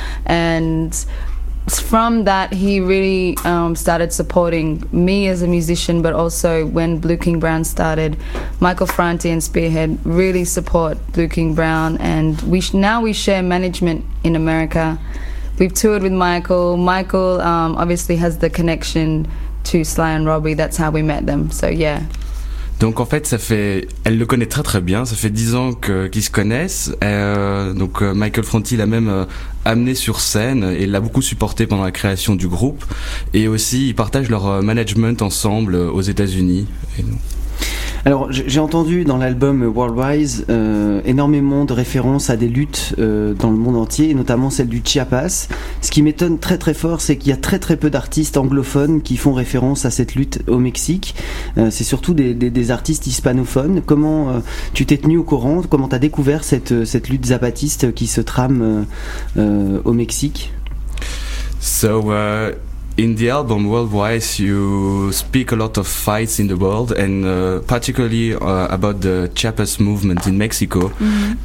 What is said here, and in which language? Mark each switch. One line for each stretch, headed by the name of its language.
English: And from that, he really started supporting me as a musician, but also when Blue King Brown started, Michael Franti and Spearhead really support Blue King Brown. And we now we share management in America, We've toured with Michael. Michael obviously has the connection to Sly and Robbie. That's how we met them. So yeah.
French: Donc en fait, ça fait, elle le connaît très très bien. Ça fait 10 ans qu'ils se connaissent. Donc Michael Franti l'a même amené sur scène et l'a beaucoup supporté pendant la création du groupe. Et aussi, ils partagent leur management ensemble aux États-Unis. Et nous. Alors, j'ai entendu dans l'album Worldwise énormément de références à des luttes dans le monde entier, et notamment celle du Chiapas. Ce qui m'étonne très très fort, c'est qu'il y a très très peu d'artistes anglophones qui font référence à cette lutte au Mexique. C'est surtout des artistes hispanophones. Comment tu t'es tenu au courant? Comment tu as découvert cette lutte zapatiste qui se trame au Mexique?
English: So, in the album Worldwise, you speak a lot of fights in the world, and particularly about the Chiapas movement in Mexico. Mm-hmm.